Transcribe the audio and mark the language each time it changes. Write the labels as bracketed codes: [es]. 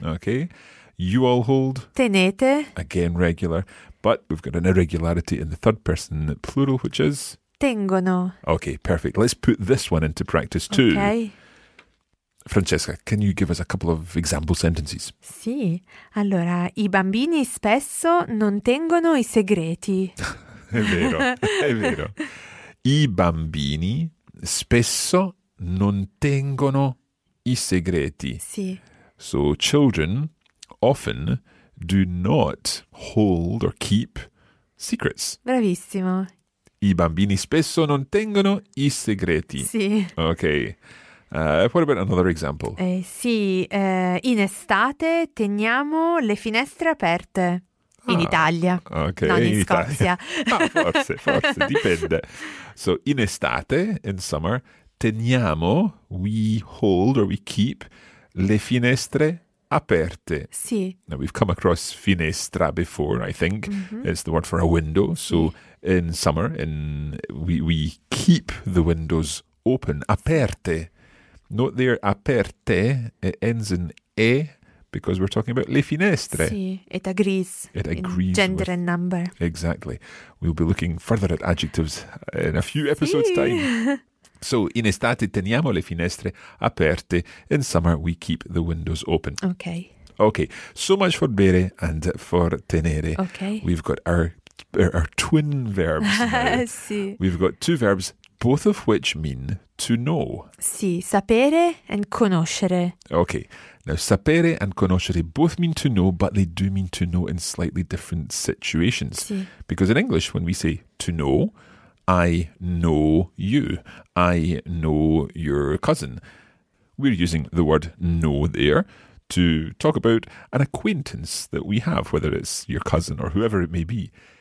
[en] Okay. You all hold. [it] Tenete. [en] Again, regular. But we've got an irregularity in the third person plural, which is? [it] Tengono. [en] Okay, perfect. Let's put this one into practice too. Okay. Francesca, can you give us a couple of example sentences? [it] Sì. Allora, i bambini spesso non tengono i segreti. È vero, è vero. I bambini spesso non tengono i segreti. Sì. [en] So, children often do not hold or keep secrets. [it] Bravissimo. I bambini spesso non tengono i segreti. Sì. [en] Ok. What about another example? [it] In estate teniamo le finestre aperte. In Italia. [en] Ok, [it] non in Scozia. Italia. Ah, forse, dipende. So, in estate, [en] in summer, [it] teniamo, [en] we hold or we keep, [it] le finestre aperte. Sì. [en] Now, we've come across finestra before, I think. Mm-hmm. It's the word for a window. So, [it] sì. [en] in summer, we keep the windows open, aperte. Note there, aperte, it ends in E because we're talking about le finestre. Sì, it agrees. It agrees. Gender and number. Exactly. We'll be looking further at adjectives in a few episodes' [it] sì. [en] time. So, in estate teniamo le finestre aperte. In summer, we keep the windows open. Okay. Okay. So much for bere and for tenere. Okay. We've got our twin verbs. Sì. We've got two verbs. Both of which mean to know. [it] Sì, sapere and conoscere. [en] Okay. Now, sapere and conoscere both mean to know, but they do mean to know in slightly different situations. [it] Sì. [en] Because in English, when we say to know, I know you. I know your cousin. We're using the word know there to talk about an acquaintance that we have, whether it's your cousin or whoever it may be.